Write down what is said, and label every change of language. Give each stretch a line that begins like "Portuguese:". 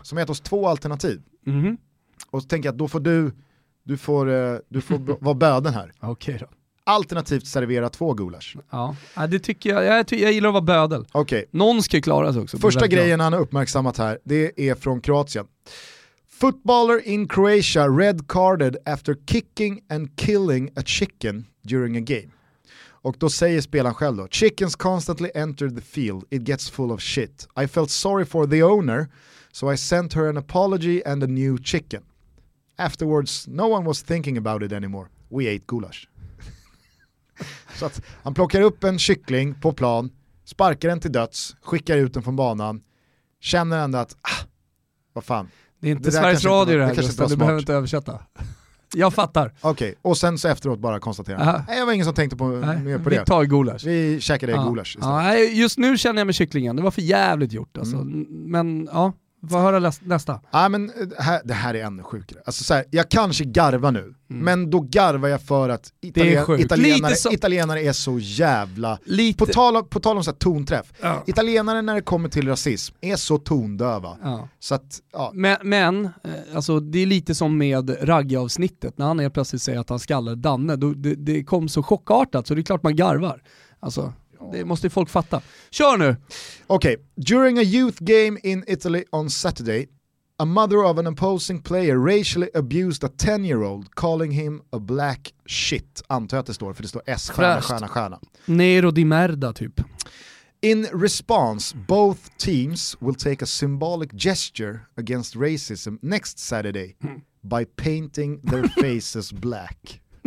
Swedish: Som har gett oss två alternativ. Mm-hmm. Och så tänker jag att då får du... Du får vara böden här. Okej då. Alternativt servera två gulasch. Ja, det tycker jag. Jag gillar att vara bödel. Okej. Någon ska klara sig också. Första grejen han har uppmärksammat här, det är från Kroatien.
English: Footballer in Croatia red carded after kicking and killing a chicken during a game.
Swedish: Och då säger spelaren själv då:
English: chickens constantly entered the field. It gets full of shit. I felt sorry for the owner, so I sent her an apology and a new chicken. Afterwards, no one was thinking about it anymore. We ate goulash.
Swedish: Så att han plockar upp en kyckling på plan, sparkar den till döds, skickar ut den från banan, känner ändå att, vad fan. Det är inte Sveriges Radio det här, det kanske inte var smart. Du behöver inte översätta. Jag fattar. Okej, okay. Och sen så efteråt bara konstatera. Nej, jag var ingen som tänkte på, mer på vi det. Vi tar gulasch. Vi käkar det gulasch istället. Just nu känner jag mig kycklingen. Det var för jävligt gjort. Alltså. Mm. Men ja, vad hör jag nästa? Men det här är ännu sjukare. Alltså, så här, jag kanske garvar nu. Mm. Men då garvar jag för att italienare är så jävla... Lite. På tal om så här tonträff. Ja. Italienare när det kommer till rasism är så tondöva. Ja. Så att, ja. Men alltså, det är lite som med Ragge-avsnittet. När han helt plötsligt säger att han skallar Danne. Då, det kom så chockartat så det är klart man garvar. Alltså... Det måste ju folk fatta. Kör nu! Okej. Okay.
English: During a youth game in Italy on Saturday, a mother of an opposing player racially abused a 10-year-old, calling him a black shit.
Swedish: Antar jag att det står, för det står S-stjärna.
Italian: Nero di merda, typ.
English: In response, both teams will take a symbolic gesture against racism next Saturday by painting their faces black.